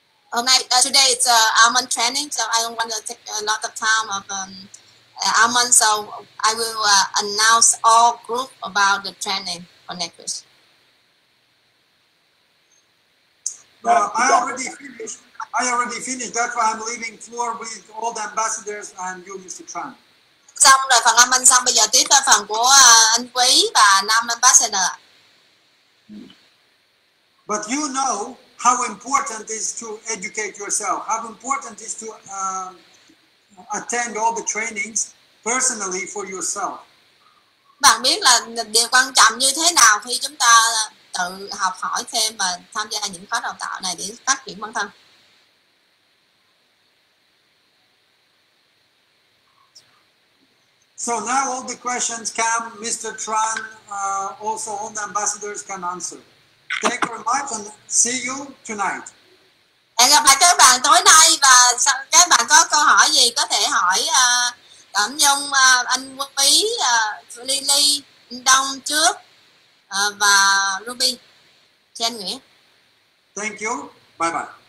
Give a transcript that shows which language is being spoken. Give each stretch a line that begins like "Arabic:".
Vietnamese: Hôm nay
English: today it's Aman training, so I don't want to take a lot of time of Aman, so I will announce all group about the training on next week. I already finished. That's why I'm leaving floor with all the ambassadors and you, Mr. Tran.
Vietnamese: Xong rồi phần Aman xong, bây giờ tiếp vào phần của anh Quý và Nam Ambassador.
English: But you know how important it is to educate yourself. How important it is to attend all the trainings personally for yourself.
Vietnamese: Bạn biết là điều quan trọng như thế nào khi chúng ta tự học hỏi thêm và tham gia những khóa đào tạo này để phát triển bản thân.
English: So now all the questions come, Mr. Tran, also all the ambassadors can answer. Thank you very much and see you tonight.
Vietnamese: Hẹn gặp lại các bạn tối nay và các bạn có câu hỏi gì có thể hỏi Cẩm Nhung, anh Quý, Lily, anh Đông trước. Và Ruby, Chen Nguyễn.
English: Thank you. Bye bye.